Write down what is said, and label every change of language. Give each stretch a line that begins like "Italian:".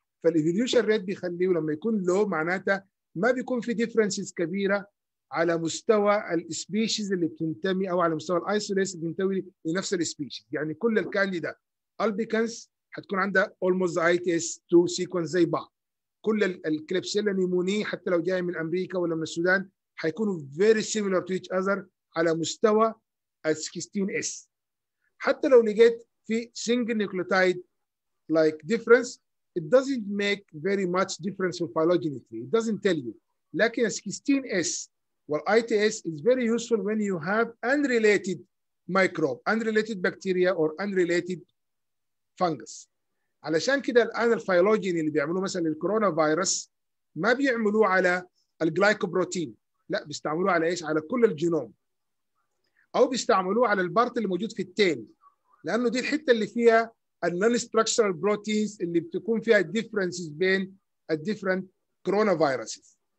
Arabic: فالايفوليوشن ريت بيخليه لما يكون لو معناته ما بيكون في ديفرنسز كبيرة على مستوى السبيشيز اللي بتنتمي او على مستوى الايسوليس اللي بتنتمي لنفس السبيشيز. يعني كل الكانديدا البيكنز هتكون عندها اولموست اي تي اس 2 سيكونس زي بعض. كل الكليبسيلا نيموني حتى لو جاي من امريكا ولا من السودان هيكونوا very similar to each other على مستوى ال 16S.
English: حتى لو لقيت في single nucleotide like difference it doesn't make very much difference in phylogeny tree. It doesn't tell you. لكن ال 16S وال ITS is very useful when you have unrelated microbe, unrelated bacteria or unrelated fungus.
Arabic: علشان كده الان الفايلوجيني اللي بيعملوه مثلا الكورونا فيروس ما بيعملوه على الجلايكوبروتين، لا بيستعملوه على ايش؟ على كل الجينوم. او بيستعملوه على البارت اللي موجود في التيل، لانه دي الحته اللي فيها النون ستراكشرال بروتينز اللي بتكون فيها الديفرنسز بين الديفرنت كورونا فيروسز.